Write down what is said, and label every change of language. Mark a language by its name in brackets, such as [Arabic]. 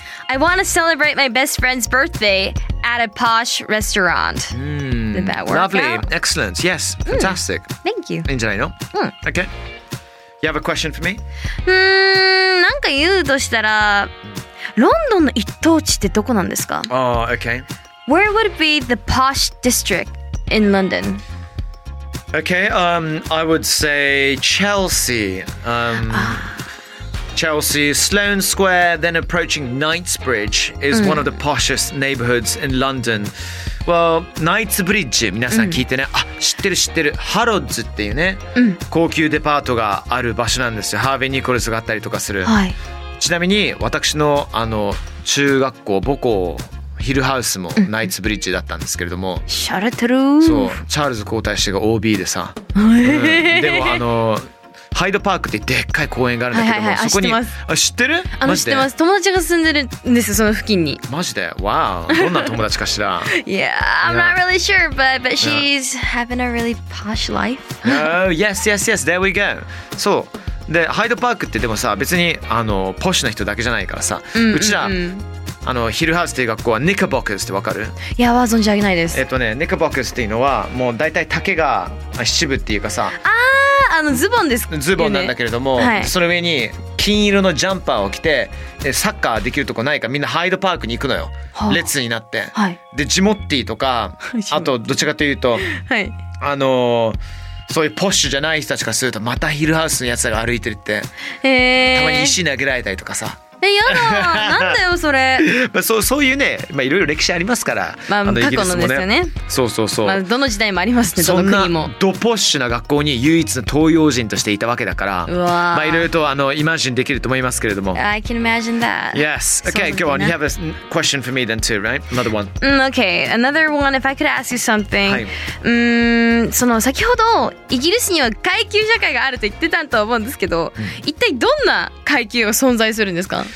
[English] I want to celebrate my best friend's birthday at a posh restaurant.、 Mm. Did that work? Lovely.、 Out? Excellent. Yes. Fantastic.、 Mm. Thank you. [Japanese] いいんじゃないの? Mm. [English] Okay. You have a question for me? [Japanese] なんか言うとしたら、ロンドンの一等地ってどこなんですか? [English] Oh, okay. Where would be the posh district in London? Okay, I would say Chelsea. Chelsea's Sloane Square, then approaching Knightsbridge, is one of the poshest neighborhoods in London. [Japanese] Well, Knightsbridge, 皆さん聞いてね、あ、知ってる知ってる、ハロッズっていうね、高級デパートがある場所なんですよ。ハーヴェイ・ニコルズがあったりとかする。はい、ちなみに私 の, あの中学校母校ヒルハウスもナイツブリッジだったんですけれども、しゃれてる。そう、チャールズ皇太子が OB でさ、でもあのハイドパークってでっかい公園があるんだけども、はいはいはい、そこに、あ、知ってます。あ、知ってる？あの、知ってます。友達が住んでるんですよ、その付近に。マジで？わあ、どんな友達かしら。 [English] Yeah, I'm not really sure, but she's having a really posh life. Oh, yes, yes, yes. There we go. [Japanese] そう。でハイドパークってでもさ別にあのポッシュな人だけじゃないからさ、うちら、あのヒルハウスっていう学校はニッカボックスってわかる？いや、存じ上げないです。ね、ニッカボックスっていうのはもう大体丈が七分っていうかさ、あー、あのズボンですかね、ズボンなんだけれども、はい、その上に金色のジャンパーを着てサッカーできるとこないかみんなハイドパークに行くのよ、はあ、列になって、はい、でジモッティとかあとどちらかというと、はい、そういうポッシュじゃない人たちからするとまたヒルハウスのやつらが歩いてるって、たまに石投げられたりとかさ、え、やだなんだよそれ、まあ、そういうね、まあ、いろいろ歴史ありますから、まあ、あのイギリスもね、過去のですよね、そうそうそう、まあ、どの時代もありますね、どの国もそんなドポッシュな学校に唯一の東洋人としていたわけだから、うわ、まあ、いろいろとあのイマジンできると思いますけれども、 [English] I can imagine that. Yes. Okay, go on. You have a question for me then too, right? Another one. Okay, another one. If I could ask you something、 [Japanese] はい、その先ほどイギリスには階級社会があると言ってたと思うんですけど、一体どんな階級が存在するんですか？